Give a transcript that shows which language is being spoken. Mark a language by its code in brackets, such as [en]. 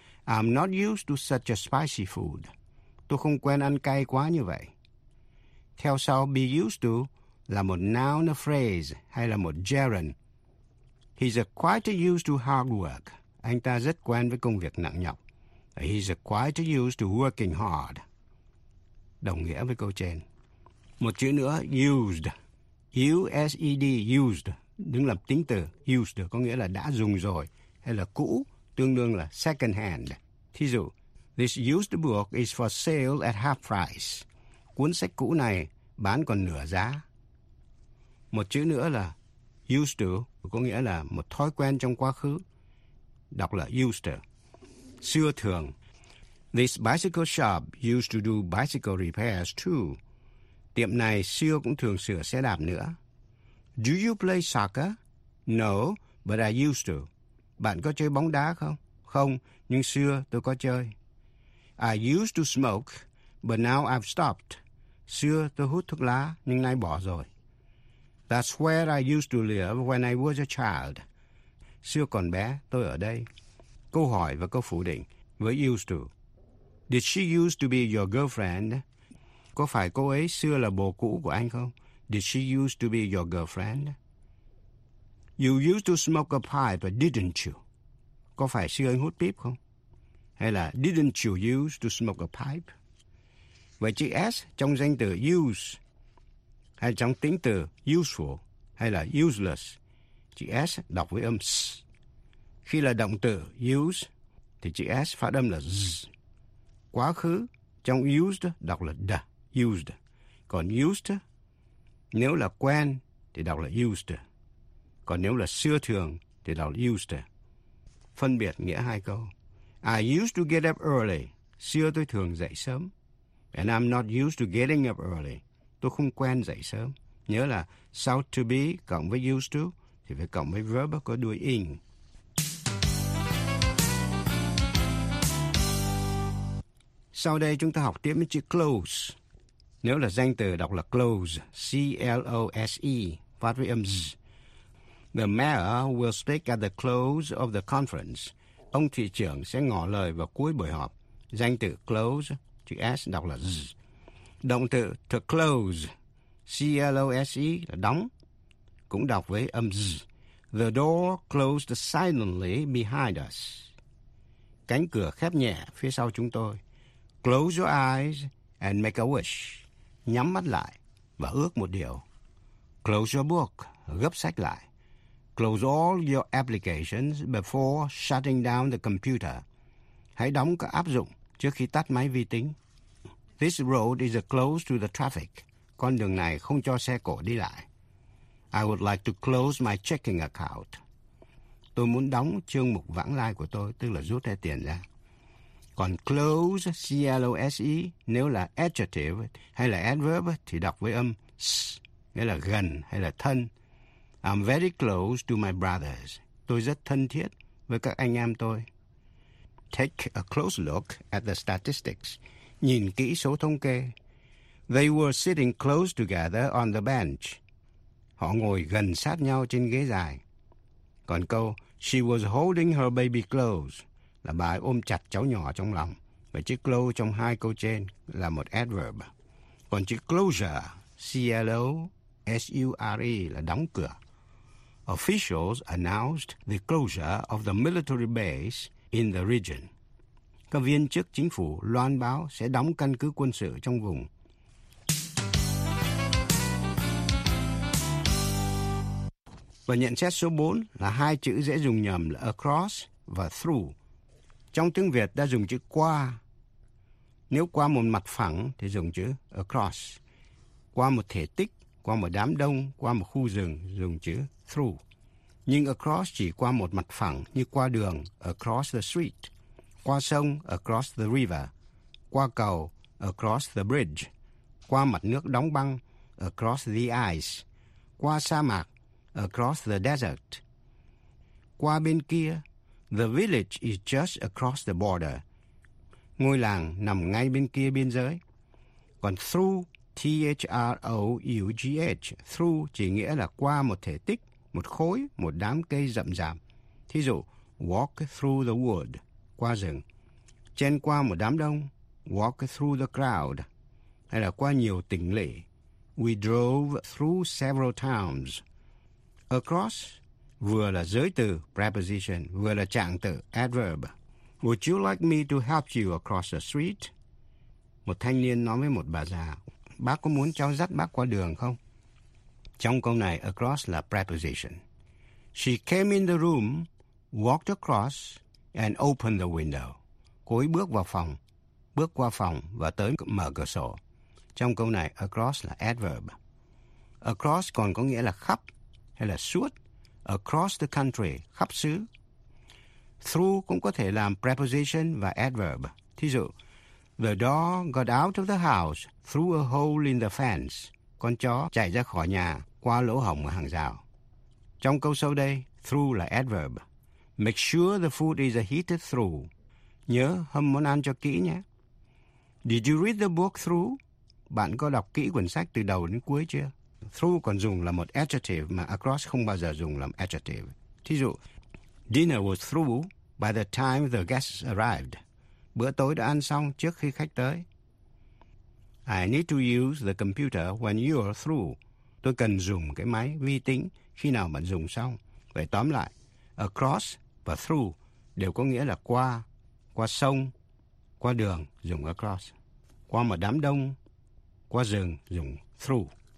[en] I'm not used to such a spicy food. [vi] Tôi không quen ăn cay quá như vậy. Theo sau be used to là một noun, a phrase hay là một gerund. [en] He's quite used to hard work. [vi] Anh ta rất quen với công việc nặng nhọc. [en] He's quite used to working hard. [vi] Đồng nghĩa với câu trên. Một chữ nữa, used. U-S-E-D, used. Đứng làm tính từ. Used có nghĩa là đã dùng rồi hay là cũ. Tương đương là second hand. Thí dụ, [en] this used book is for sale at half price. [vi] Cuốn sách cũ này bán còn nửa giá. Một chữ nữa là used to, có nghĩa là một thói quen trong quá khứ. Đọc là used to. Xưa thường, [en] this bicycle shop used to do bicycle repairs too. [vi] Tiệm này xưa cũng thường sửa xe đạp nữa. [en] Do you play soccer? No, but I used to. [vi] Bạn có chơi bóng đá không? Không, nhưng xưa tôi có chơi. [en] I used to smoke, but now I've stopped. [vi] Xưa tôi hút thuốc lá, nhưng nay bỏ rồi. [en] That's where I used to live when I was a child. [vi] Xưa còn bé, tôi ở đây. Câu hỏi và câu phủ định với used to. [en] Did she used to be your girlfriend? [vi] Có phải cô ấy xưa là bồ cũ của anh không? [en] Did she used to be your girlfriend? You used to smoke a pipe, but didn't you? [vi] Có phải xưa anh hút pip không? Hay là [en] didn't you used to smoke a pipe? [vi] Vậy chữ S trong danh từ use hay trong tính từ useful hay là useless? Chữ S đọc với âm s. Khi là động từ use thì chữ S phát âm là z. Quá khứ trong used đọc là d, used. Còn used nếu là quen thì đọc là used. Còn nếu là xưa thường thì đọc là used. Phân biệt nghĩa hai câu. I used to get up early. Xưa tôi thường dậy sớm. And I'm not used to getting up early. Tôi không quen dậy sớm. Nhớ là sau to be cộng với used to thì phải cộng với verb có đuôi in. Sau đây chúng ta học tiếp với chữ close. Nếu là danh từ đọc là close. C-L-O-S-E. Phát với âm z. [en] The mayor will speak at the close of the conference. [vi] Ông thị trưởng sẽ ngỏ lời vào cuối buổi họp. Danh từ close, chữ S đọc là z. Động từ to close, C-L-O-S-E là đóng, cũng đọc với âm z. [en] The door closed silently behind us. [vi] Cánh cửa khép nhẹ phía sau chúng tôi. [en] Close your eyes and make a wish. [vi] nhắm mắt lại và ước một điều. [en] Close your book, [vi] gấp sách lại. [en] Close all your applications before shutting down the computer. [vi] Hãy đóng các áp dụng trước khi tắt máy vi tính. [en] This road is closed to the traffic. [vi] Con đường này không cho xe cộ đi lại. [en] I would like to close my checking account. [vi] Tôi muốn đóng chương mục vãng lai của tôi, tức là rút hết tiền ra. Còn close, C-L-O-S-E, nếu là adjective hay là adverb thì đọc với âm S, nghĩa là gần hay là thân. [en] I'm very close to my brothers. [vi] Tôi rất thân thiết với các anh em tôi. [en] Take a close look at the statistics. [vi] Nhìn kỹ số thống kê. [en] They were sitting close together on the bench. [vi] Họ ngồi gần sát nhau trên ghế dài. Còn câu, [en] she was holding her baby close, [vi] là bà ấy ôm chặt cháu nhỏ trong lòng. Và chữ close trong hai câu trên là một adverb. Còn chữ closure, C-L-O-S-U-R-E, là đóng cửa. [en] Officials announced the closure of the military base in the region. [vi] Các viên chức chính phủ loan báo sẽ đóng căn cứ quân sự trong vùng. Và nhận xét số 4 là hai chữ dễ dùng nhầm là across và through. Trong tiếng Việt đã dùng chữ qua. Nếu qua một mặt phẳng thì dùng chữ across. Qua một thể tích, qua một đám đông, qua một khu rừng dùng chữ through. Nhưng across chỉ qua một mặt phẳng như qua đường, [en] across the street. [vi] Qua sông, [en] across the river. [vi] Qua cầu, [en] across the bridge. [vi] Qua mặt nước đóng băng, [en] across the ice. [vi] Qua sa mạc, [en] across the desert. [vi] Qua bên kia, [en] the village is just across the border. [vi] Ngôi làng nằm ngay bên kia biên giới. Còn through, T-H-R-O-U-G-H, through chỉ nghĩa là qua một thể tích, một khối, một đám cây rậm rạp. Thí dụ, [en] walk through the wood, [vi] qua rừng. Chen qua một đám đông, [en] walk through the crowd. [vi] Hay là qua nhiều tỉnh lỵ. [en] We drove through several towns. [vi] Across vừa là giới từ preposition, vừa là trạng từ adverb. [en] Would you like me to help you across the street? [vi] Một thanh niên nói với một bà già, bác có muốn cháu dắt bác qua đường không? Trong câu này across là preposition. She came in the room, walked across and opened the window. Cô ấy bước vào phòng, bước qua phòng và tới mở cửa sổ. Trong câu này across là adverb. Across còn có nghĩa là khắp hay là suốt, [en] across the country, [vi] khắp xứ. Through cũng có thể làm preposition và adverb. Thí dụ, [en] the dog got out of the house through a hole in the fence. [vi] Con chó chạy ra khỏi nhà qua lỗ hổng ở hàng rào. Trong câu sau đây, through là adverb. [en] Make sure the food is heated through. [vi] Nhớ hâm món ăn cho kỹ nhé. [en] Did you read the book through? [vi] Bạn có đọc kỹ quyển sách từ đầu đến cuối chưa? Through còn dùng là một adjective mà across không bao giờ dùng làm adjective. Thí dụ, [en] dinner was through by the time the guests arrived. [vi] Bữa tối đã ăn xong trước khi khách tới. [en] I need to use the computer when you are through. [vi] Tôi cần dùng cái máy vi tính khi nào bạn dùng xong. Vậy tóm lại, across và through đều có nghĩa là qua, qua sông, qua đường dùng across. Qua một đám đông, qua rừng dùng through.